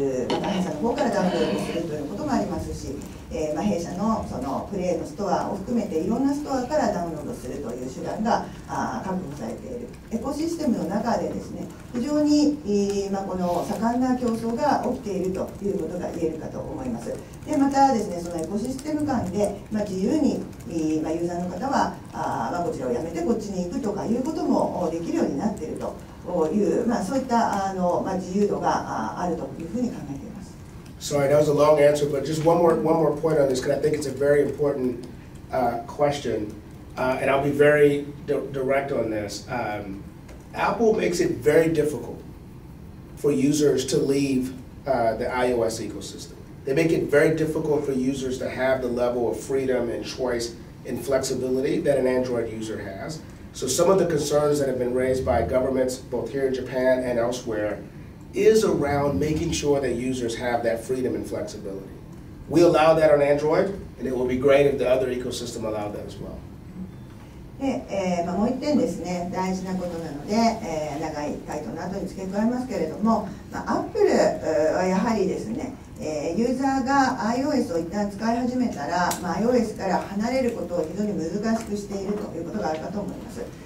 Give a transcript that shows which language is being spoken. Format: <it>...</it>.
<ja>また弊社の方からダウンロードするということもありますし、まあ、弊社 の, そのプレイのストアを含めていろんなストアからダウンロードするという手段が確保されているエコシステムの中でですね、非常に、まあ、この盛んな競争が起きているということが言えるかと思います。でまたですね、そのエコシステム間で、まあ、自由に、まあ、ユーザーの方は、まあ、こちらをやめてこっちに行くとかいうこともできるようになっているという、まあ、そういったまあ、自由度があるというふうに考えています。</ja> <en>Sorry, that was a long answer, but just one more point on this, because I think it's a very important question, and I'll be very direct on this. Apple makes it very difficult for users to leave the iOS ecosystem. They make it very difficult for users to have the level of freedom and choice and flexibility that an Android user has. So some of the concerns that have been raised by governments, both here in Japan and elsewhere,is around making sure that users have that freedom and flexibility. We allow that on Android, and it will be great if the other ecosystem allowed that as well.</en> <ja>で、まあ、もう一点ですね、大事なことなので、長い回答の後に付け加えますけれども、まあ、Apple はやはりですね、ユーザーが iOS を一旦使い始めたら、まあ、iOS から離れることを非常に難しくしているということがあるかと思います。</ja>